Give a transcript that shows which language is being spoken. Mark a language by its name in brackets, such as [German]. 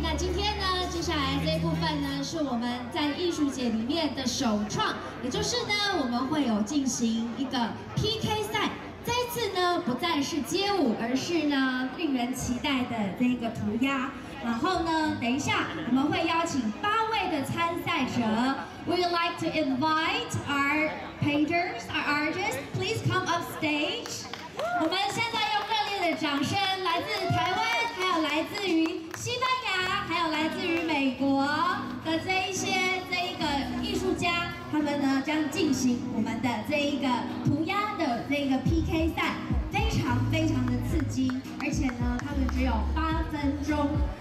[Chinese] 那今天呢，接下来这一部分呢是我们在艺术节里面的首创，也就是呢我们会有进行一个 PK 赛。这一次呢不再是街舞，而是呢令人期待的这个涂鸦。然后呢，等一下我们会邀请8位的参赛者。 [English] We'd like to invite our painters, our artists, please come up stage. [Chinese] 我们现在用热烈的掌声，来自台湾，还有来自于西班牙，还有来自于美国的这一个艺术家，他们呢将进行我们的这一个涂鸦的这个 PK 赛，非常非常的刺激，而且呢他们只有8分钟。